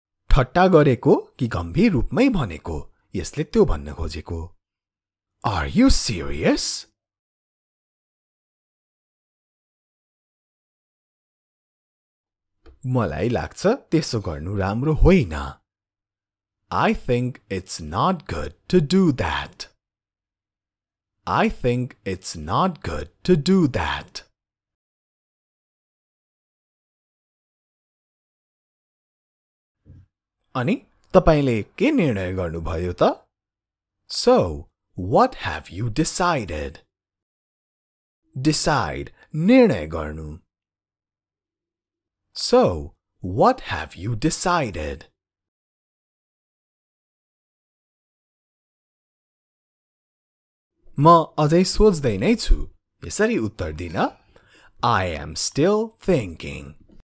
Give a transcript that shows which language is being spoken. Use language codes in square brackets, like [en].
[ne] ठट्टा गरेको कि गम्भीर रूपमै भनेको यसले त्यो भन्न खोजेको [en] are you serious [ne] मलाई लाग्छ त्यसो गर्नु राम्रो होइन [en] I think it's not good to do that I think it's not good to do that [ne] अनि तपाईले के निर्णय गर्नुभयो त? [en] So, what have you decided? [ne] Decide, निर्णय गर्नु. [en] So, what have you decided? [ne] म अझै सोच्दै नै छु. यसरी उत्तर दिन. [en] I am still thinking.